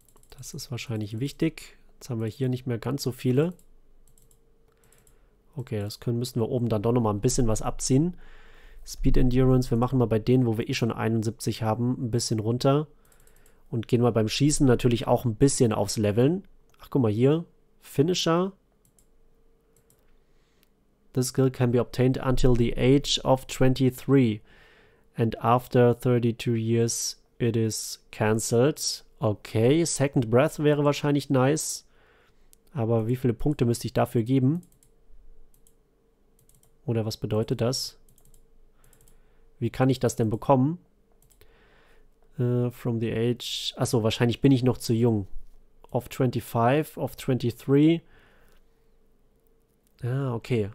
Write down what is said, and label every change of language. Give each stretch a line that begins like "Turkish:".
German: Das ist wahrscheinlich wichtig. Jetzt haben wir hier nicht mehr ganz so viele. Okay, das können, müssen wir oben dann doch noch mal ein bisschen was abziehen. Speed Endurance, wir machen mal bei denen, wo wir eh schon 71 haben, ein bisschen runter. Und gehen mal beim Schießen natürlich auch ein bisschen aufs Leveln. Ach, guck mal hier. Finisher.
English: This skill can be obtained until the age of 23. And after 32 years it is cancelled.
German: Okay, Second Breath wäre wahrscheinlich nice. Aber wie viele Punkte müsste ich dafür geben? Oder was bedeutet das? Wie kann ich das denn bekommen?
English: From the age.
German: Achso, wahrscheinlich bin ich noch zu jung.
English: Of 25, of 23.
German: Ja, okay.